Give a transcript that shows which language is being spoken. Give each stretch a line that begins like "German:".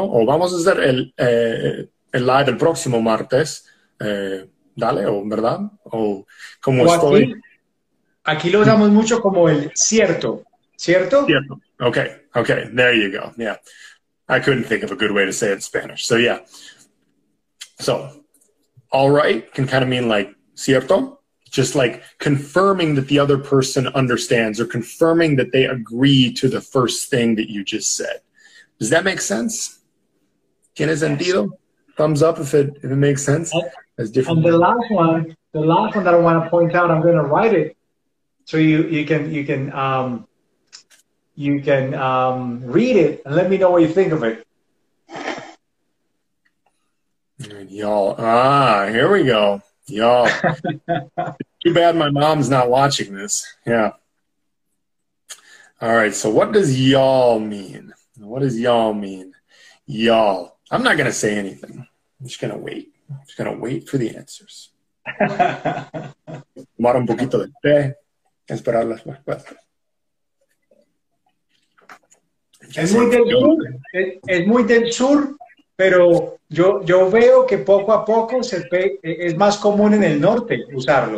Spanish: O vamos a hacer el live el próximo martes, dale, o ¿verdad? O como o estoy. Aquí lo usamos mucho como el cierto, ¿cierto? Cierto.
English: Okay, okay, there you go. Yeah, I couldn't think of a good way to say it in Spanish. So yeah, so all right can kind of mean like cierto, just like confirming that the other person understands or confirming that they agree to the first thing that you just said. Does that make sense?
Spanish: ¿Tiene sentido?
English: Thumbs up if it makes sense. As different. And the last one that I want to point out, I'm going to write it so you can. You can read it and let me know what you think of it. Y'all, here we go. Y'all, too bad my mom's not watching this. Yeah. All right, so what does y'all mean? What does y'all mean? Y'all, I'm not going to say anything. I'm just going to wait. I'm just going to wait for the answers.
Spanish: Tomar un poquito de té, esperar las respuestas. Es muy del sur, pero yo veo que poco a poco es más común en el norte usarlo.